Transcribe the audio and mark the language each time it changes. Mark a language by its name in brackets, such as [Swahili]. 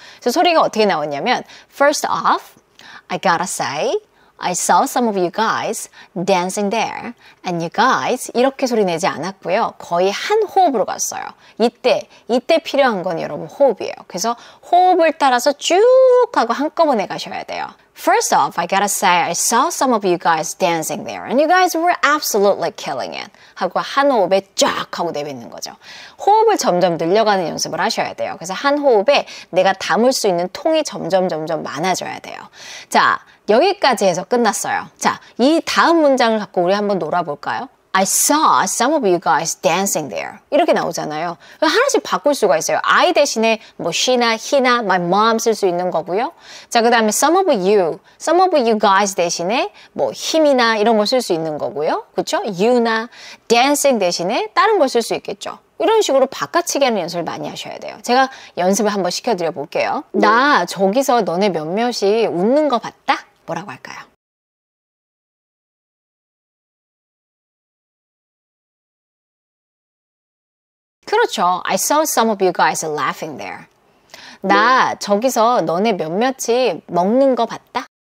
[Korean] 그래서 소리가 어떻게 나왔냐면 [English] First off, I gotta say, I saw some of you guys dancing there, and you guys [Korean] 이렇게 소리 내지 않았고요. 거의 한 호흡으로 갔어요. 이때 필요한 건 여러분 호흡이에요. 그래서 호흡을 따라서 쭉 하고 한꺼번에 가셔야 돼요. [English] First off, I gotta say, I saw some of you guys dancing there, and you guys were absolutely killing it. [Korean] 하고 한 호흡에 쫙 하고 내뱉는 거죠. 호흡을 점점 늘려가는 연습을 하셔야 돼요. 그래서 한 호흡에 내가 담을 수 있는 통이 점점 많아져야 돼요. 자, 여기까지 해서 끝났어요. 자, 이 다음 문장을 갖고 우리 한번 놀아볼까요? [English] I saw some of you guys dancing there. [Korean] 이렇게 나오잖아요. 하나씩 바꿀 수가 있어요. I 대신에 뭐 she나 he나 my mom 쓸 수 있는 거고요. 자, 그 다음에 some of you guys 대신에 뭐 him이나 이런 걸 쓸 수 있는 거고요. 그렇죠? you나 dancing 대신에 다른 걸 쓸 수 있겠죠. 이런 식으로 바깥치기 하는 연습을 많이 하셔야 돼요. 제가 연습을 한번 시켜드려 볼게요. 나 저기서 너네 몇몇이 웃는 거 봤다? 뭐라고 할까요? [English] I saw some of you guys laughing there. [Korean] 나 저기서 너네 몇몇이 먹는 거 봤다.